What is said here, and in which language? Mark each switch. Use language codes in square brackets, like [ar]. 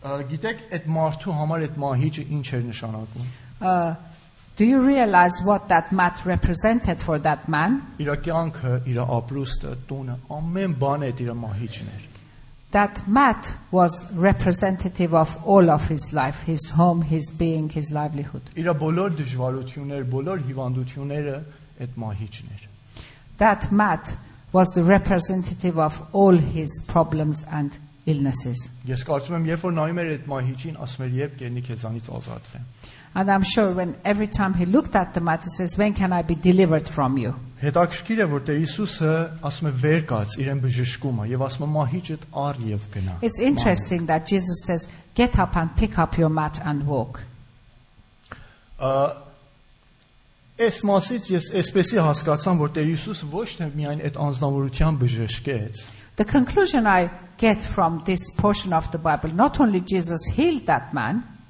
[hy] Գիտեք, այդ մարդու համար այդ մահիճը ինչ էր նշանակում? [en] Do you realize what that mat represented for that man? [hy] Իր կյանքը, իր ապրուստը, տունը, ամեն բանը իր մահիճն էր. [en] That mat was representative of all of his life, his home, his being, his livelihood. [hy] Իր բոլոր դժվարությունները, բոլոր հիվանդությունները այդ մահիճն էր. [en] That mat was the representative of all his problems and illnesses. [hy] Ես կարծում եմ, երբ որ նայում էր այդ մահիճին, ասում էր, երբ կենի քեզանից ազատվեմ. [en] And I'm sure when every time he looked at the mat, he says, "When can I be delivered from you?" [hy] Հետաքրքիր է, որ Տեր Հիսուսը ասում է, «Վեր կաց, իրեն բժշկում է» եւ ասում է, «Մահիճդ առ եւ գնա»։ [en] It's interesting that Jesus says, "Get up and pick up your mat and walk." [hy] Այս մասից ես էսպեսի հասկացամ, որ Տեր Հիսուսը ոչ թե միայն այդ անձնավորությամբ բժշկեց։ [en] The conclusion I get from this portion of the Bible, not only Jesus healed that man,